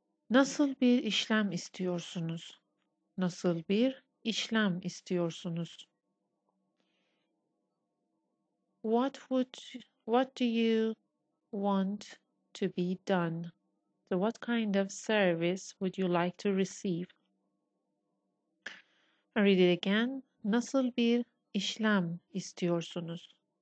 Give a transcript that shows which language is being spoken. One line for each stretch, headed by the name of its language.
Turkish: Nasıl bir işlem istiyorsunuz? Nasıl bir işlem istiyorsunuz?
English: What do you want to be done? So what kind of service would you like to receive? I read it again.
Turkish: Nasıl bir işlem istiyorsunuz?